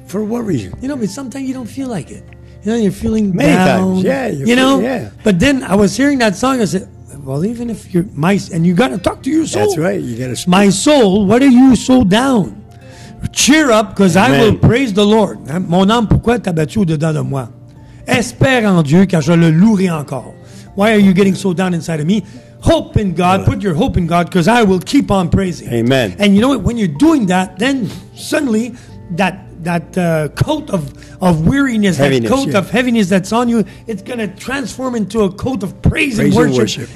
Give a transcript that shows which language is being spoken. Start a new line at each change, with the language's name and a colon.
English: For what reason? You know, but sometimes you don't feel like it. You know, you're feeling many down. Many times, yeah. But then I was hearing that song. I said, well, even if you're mice, and you got to talk to your soul. That's right. You got to speak. My soul, what are you so down? Cheer up, because I will praise the Lord.
French: Mon âme, pourquoi t'as battu au-dedans de moi? Espère en Dieu, car je le louerai encore.
English: Why are you getting so down inside of me? Hope in God. Put your hope in God, because I will keep on praising. Amen. And you know what? When you're doing that, then suddenly that coat of weariness, heaviness, that coat of heaviness that's on you, it's going to transform into a coat of praise and worship.